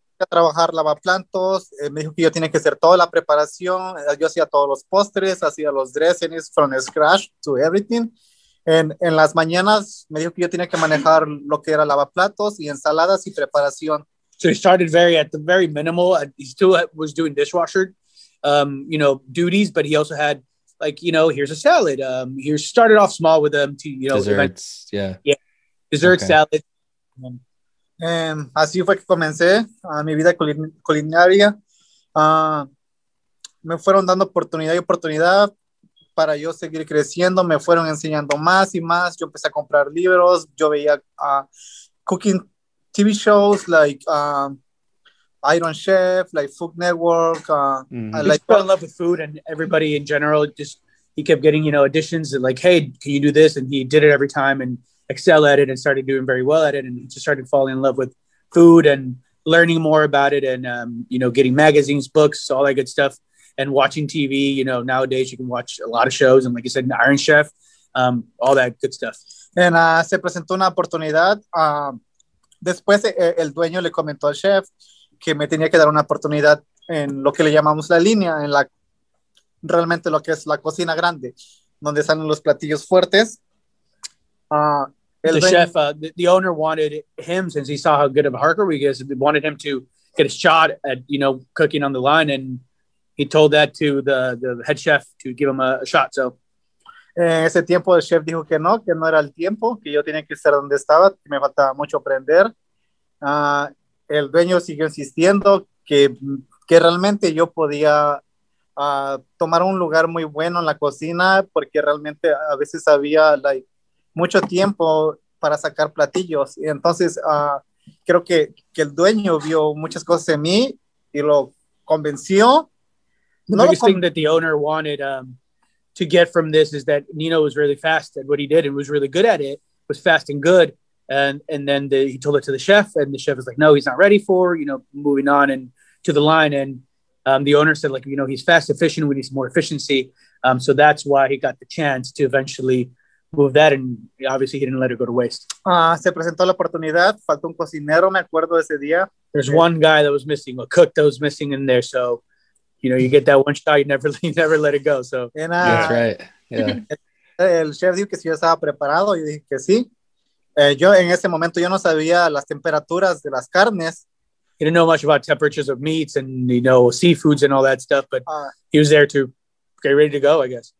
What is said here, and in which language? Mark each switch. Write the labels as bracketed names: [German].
[Spanish] A trabajar lavaplatos, me dijo que yo tenía que hacer toda la preparación, yo hacía todos los postres, hacía los dressings [English] from scratch to everything. [Spanish] En las mañanas me dijo que yo tenía que manejar lo que era lavaplatos y ensaladas y preparación. [English] So he started at the very minimal. He still was doing dishwasher, you know, duties, but he also had, like, you know, here's a salad. He started off small with them, to, you know, desserts. Dessert, okay. Salad. [Spanish] Así fue que comencé mi vida culinaria. Me fueron dando oportunidad y oportunidad para yo seguir creciendo. Me fueron enseñando más y más. Yo empecé a comprar libros. Yo veía [English] cooking TV shows like Iron Chef, like Food Network. I just fell in love with food and everybody in general. Just he kept getting, you know, additions and like, hey, can you do this? And he did it every time and excel at it and started doing very well at it and just started falling in love with food and learning more about it and you know, getting magazines, books, all that good stuff, and watching TV. You know, nowadays you can watch a lot of shows and, like you said, Iron Chef, all that good stuff. [Spanish] And se presentó una oportunidad. Después el dueño le comentó al chef que me tenía que dar una oportunidad en lo que le llamamos la línea, en la realmente lo que es la cocina grande, donde salen los platillos fuertes. [English] The owner wanted him, since he saw how good of a harker we get, wanted him to get a shot at, you know, cooking on the line, and he told that to the head chef to give him a shot. So [Spanish] ese tiempo el chef dijo que no era el tiempo, que yo tenía que estar donde estaba, que me faltaba mucho aprender. El dueño siguió insistiendo que realmente yo podía tomar un lugar muy bueno en la cocina, porque realmente a veces había, like, mucho tiempo para sacar platillos. Y entonces creo que el dueño vio muchas cosas en mí y lo convenció. [English] The biggest thing that the owner wanted to get from this is that Nino was really fast at what he did and was really good at it, was fast and good. And then he told it to the chef, and the chef was like, no, he's not ready for, you know, moving on and to the line. And the owner said, like, you know, he's fast, efficient, we need some more efficiency. So that's why he got the chance to eventually move that, and obviously he didn't let it go to waste. [Spanish] Se presentó la oportunidad, faltó un cocinero, me acuerdo ese día. [English] There's one guy that was missing, a cook that was missing in there, so, you know, you get that one shot, you never let it go, so. That's right, yeah. [Spanish] El chef dijo que si yo estaba preparado, yo dije que sí. Yo, en ese momento, yo no sabía las temperaturas de las carnes. [English] He didn't know much about temperatures of meats and, you know, seafoods and all that stuff, but he was there to get ready to go, I guess.